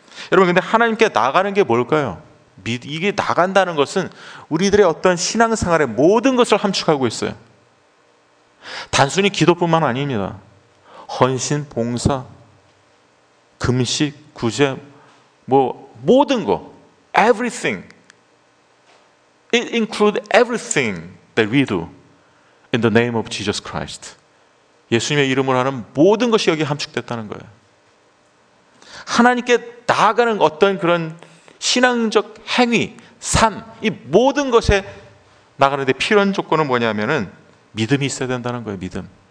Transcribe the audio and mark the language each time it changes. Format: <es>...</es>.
<ko>여러분 근데 하나님께 나가는 게 뭘까요? 이게 나간다는 것은 우리들의 어떤 신앙생활의 모든 것을 함축하고 있어요. 단순히 기도뿐만 아닙니다. 헌신, 봉사, 금식, 구제, 뭐 모든 거,</ko> <en>everything. It includes everything that we do in the name of Jesus Christ.</en> <ko>예수님의 이름으로 하는 모든 것이 여기 함축됐다는 거예요. 하나님께 나아가는 어떤 그런 신앙적 행위, 삶, 이 모든 것에 나가는 데 필요한 조건은 뭐냐면은 믿음이 있어야 된다는 거예요, 믿음.</ko>